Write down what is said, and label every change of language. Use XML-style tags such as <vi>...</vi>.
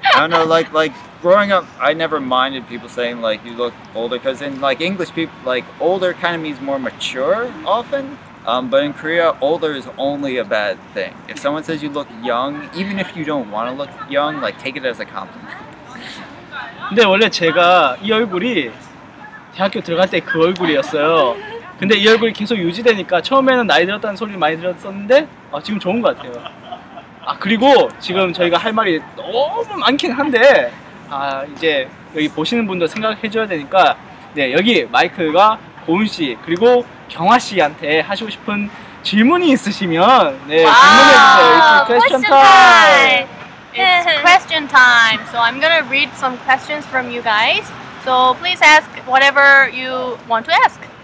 <en>I don't know, like growing up, I never minded people saying like you look older, because in like English people, like older kind of means more mature often. But in Korea, older is only a bad thing. If someone says you look young, even if you don't want to look young, like take it as a compliment.</en> <ko>근데 원래 제가 이 얼굴이 대학교 들어갈 때 그 얼굴이었어요. 근데 이 얼굴이 계속 유지되니까 처음에는 나이 들었다는 소리를 많이 들었었는데 지금 좋은 것 같아요. 아 그리고 지금 저희가 할 말이 너무 많긴 한데 이제 여기 보시는 분도 생각해 줘야 되니까 네 여기 마이클과 고은 씨 그리고 경화 씨한테 하시고 싶은 질문이 있으시면 네 질문해 주세요.</ko> <en>It's question time. It's question time, so I'm gonna read some questions from you guys. So please ask whatever you want to ask.</en>